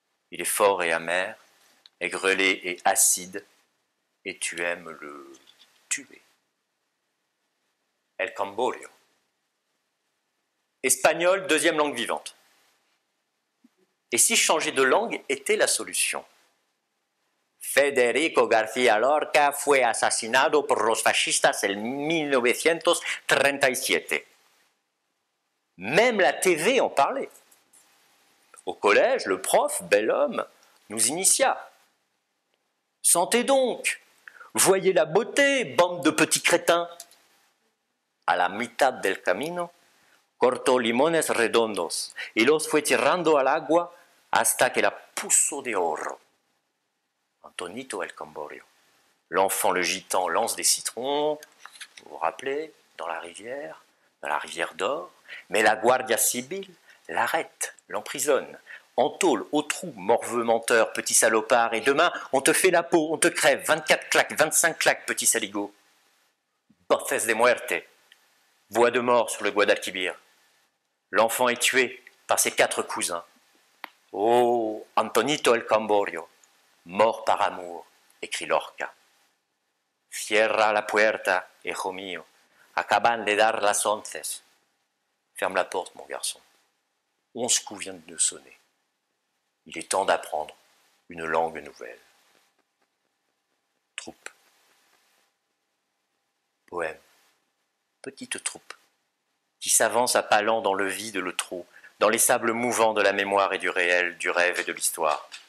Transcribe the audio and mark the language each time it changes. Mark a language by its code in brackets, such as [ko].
[fr] Il est fort et amer, aigrelé et acide, et tu aimes le tuer. El Camborio. Espagnol, deuxième langue vivante. Et si changer de langue était la solution? [es] Federico García Lorca fue asesinado por los fascistas en 1937. [fr] Même la TV en parlait. Au collège, le prof, bel homme, nous initia. Sentez donc, voyez la beauté, bande de petits crétins. [es] À la mitad del camino, cortó limones redondos y los fue tirando al agua hasta que la puso de oro. Antonito el Camborio. [fr] L'enfant, le gitan, lance des citrons, vous vous rappelez, dans la rivière d'or, mais la guardia civile l'arrête, l'emprisonne. Entôle, au trou, morveux menteur, petit salopard, et demain, on te fait la peau, on te crève, 24 claques, 25 claques, petit saligo. [es] Voces de muerte. [fr] Voix de mort sur le Guadalquivir. L'enfant est tué par ses quatre cousins. Oh, Antonito el Camborio, mort par amour, écrit Lorca. [es] Cierra la puerta, hijo mío, acaban de dar las once. [fr] Ferme la porte, mon garçon. 11 coups viennent de sonner. Il est temps d'apprendre une langue nouvelle. Troupe. Poème. Petite troupe. Qui s'avance à pas lents dans le vide, le trou, dans les sables mouvants de la mémoire et du réel, du rêve et de l'histoire.